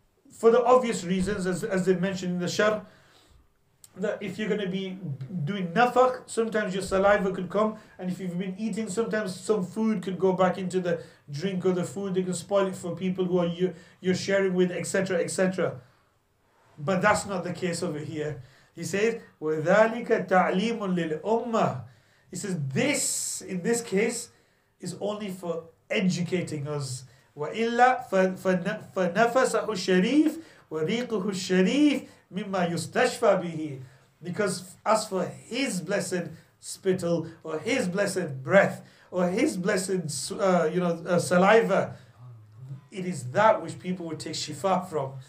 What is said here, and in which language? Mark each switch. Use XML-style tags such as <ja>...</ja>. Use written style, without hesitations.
<en>For the obvious reasons, as they mentioned in the shar, that if you're going to be doing nafakh, sometimes your saliva could come, and if you've been eating, sometimes some food could go back into the drink or the food. They can spoil it for people who are you're sharing with, etc., etc. But that's not the case over here. He says,</en> <ar>وَذَلِكَ تَعْلِيمٌ لِلْأُمَّةِ.</ar> <en>He says, this, in this case, is only for educating us.</en> <ar>وَإِلَّا فَنَفَسَهُ الشَّرِيفُ وَرِيقُهُ الشَّرِيفُ مِمَّا يُسْتَشْفَى بِهِ.</ar> <en>Because as for his blessed spittle, or his blessed breath, or his blessed saliva, it is that which people would take shifa from.</en>